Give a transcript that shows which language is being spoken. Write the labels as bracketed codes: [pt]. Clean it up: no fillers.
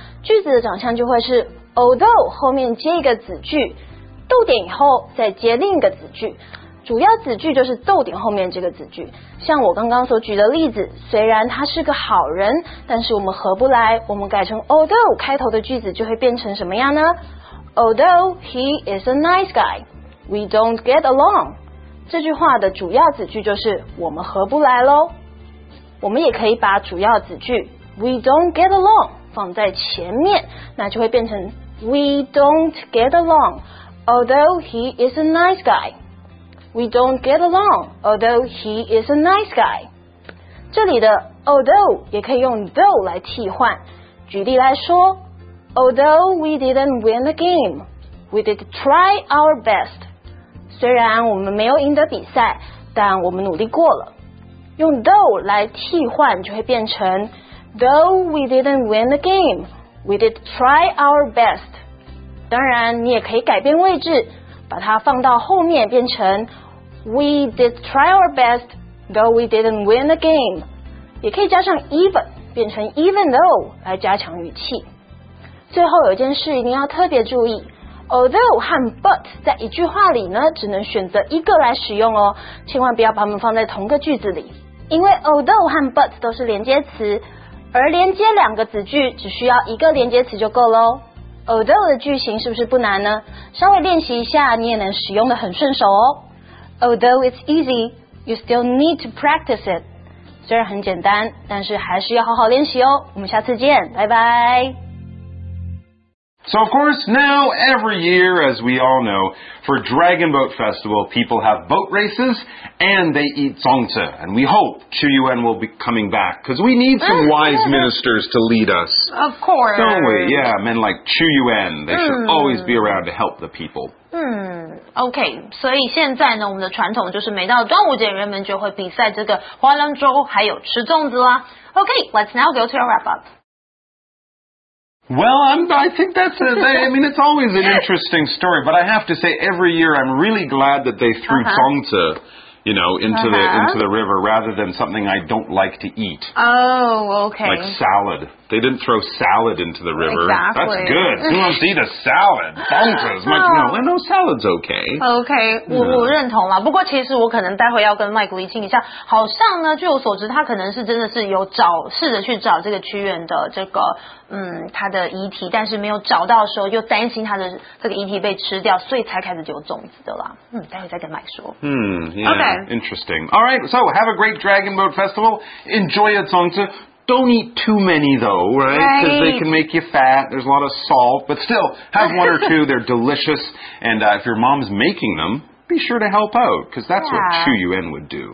[zh] 句子的长相就会是 although 后面接一个子句，逗点以后再接另一个子句，主要子句就是逗点后面这个子句。像我刚刚所举的例子，虽然他是个好人，但是我们合不来，我们改成 although 开头的句子就会变成什么样呢？ [en] although he is a nice guy, we don't get along。 [zh] 这句话的主要子句就是我们合不来咯。我们也可以把主要子句 [en] we don't get along [zh] 放在前面，那就会变成 [en] we don't get along although he is a nice guy, [zh] we don't get along although he is a nice guy。这里的 although 也可以用 though 来替换。举例来说， [en] although we didn't win the game, we did try our best。 [zh] 虽然我们没有赢得比赛，但我们努力过了。用 though 来替换就会变成 [en] though we didn't win the game, we did try our best。 [zh] 当然你也可以改变位置，把它放到后面变成 [en] we did try our best though we didn't win the game。 [zh] 也可以加上 even 变成 even though 来加强语气。最后有一件事一定要特别注意，although 和 but 在一句话里呢只能选择一个来使用哦，千万不要把它们放在同个句子里。因为 although 和 but 都是连接词，而连接两个子句只需要一个连接词就够咯。 although 的句型是不是不难呢？稍微练习一下你也能使用的很顺手哦。 [en] although it's easy, you still need to practice it。 [zh] 虽然很简单，但是还是要好好练习哦。我们下次见，拜拜。 [en] So of course, now every year, as we all know, for Dragon Boat Festival, people have boat races and they eat 粽子. And we hope Chu Yuan will be coming back because we need some wise ministers to lead us. Of course. Don't we? Yeah, men like Chu Yuan, they should always be around to help the people. [zh] OK, 所以现在呢我们的传统就是每到端午节人们就会比赛这个划龙舟还有吃粽子啦。 [en] OK, let's now go to a wrap up. Well, I think that's it. I mean, it's always an interesting story, but I have to say every year I'm really glad that they threw zongzi, you know, into the river rather than something I don't like to eat. Oh, okay. Like salad. They didn't throw salad into the river. Exactly. That's good. Who wants to eat a salad? Zongzi is much, no, salad's okay. [zh] Okay, 我认同啦。不过其实我可能待会要跟 Mike 厘清一下，好像呢，据我所知，他可能是真的是有试着去找这个屈原的这个他的遗体，但是没有找到的时候又担心他的这个遗体被吃掉，所以才开始丢粽子的啦。待会再跟 Mike 说。 [en] Interesting. All right, so have a great Dragon Boat Festival. Enjoy your 粽子. Don't eat too many though, right? Because they can make you fat. There's a lot of salt. But still, have one or two. They're delicious. And if your mom's making them, be sure to help out, because that's what Chu Yuan would do.